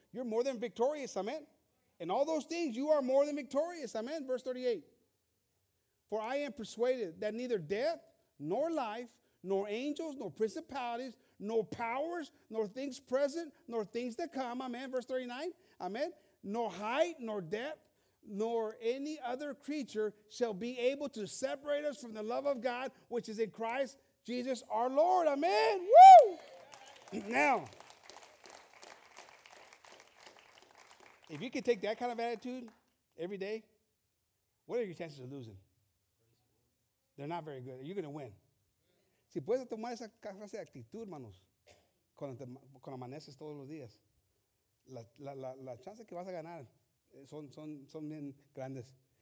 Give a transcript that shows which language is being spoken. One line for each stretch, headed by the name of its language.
English: You're more than victorious, amen. In all those things, you are more than victorious, amen. Verse 38. For I am persuaded that neither death, nor life, nor angels, nor principalities, nor powers, nor things present, nor things to come, amen. Verse 39, amen. Nor height, nor depth, nor any other creature shall be able to separate us from the love of God, which is in Christ Jesus our Lord. Amen. Woo! Now, if you can take that kind of attitude every day, what are your chances of losing? They're not very good. You're going to win.
Spanish: Si puedes tomar esa clase de actitud, hermanos, cuando amaneces todos los días, la chance que vas a ganar son bien grandes.